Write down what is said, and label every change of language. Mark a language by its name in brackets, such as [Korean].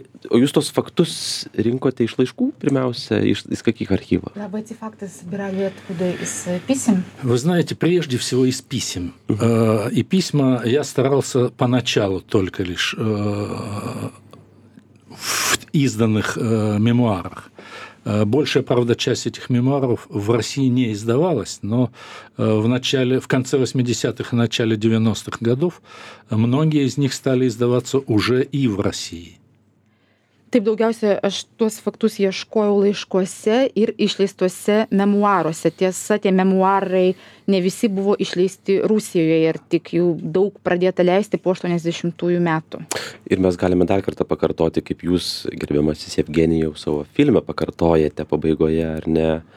[Lithuanian] O jūs tos faktus rinkote iš laiškų pirmiausia, iš kokių archyvų? [Russian] Labai эти факты собирали откуда из писем? Вы знаете, прежде всего из писем. Uh-huh. И письма я старался поначалу только лишь в изданных мемуарах. Большая, правда, часть этих мемуаров в России не издавалась, но в конце 80-х и начале 90-х годов многие из них стали издаваться уже и в России. [Lithuanian] Taip, daugiausia, aš tuos faktus ieškojau laiškuose ir išleistuose memuaruose. Tiesa, tie memuarai ne visi buvo išleisti Rusijoje ir tik jų daug pradėta leisti po 80-ųjų metų. Ir mes galime dar kartą pakartoti, kaip jūs, gerbiamasis Evgenijau, savo filme pakartojate pabaigoje, ar ne?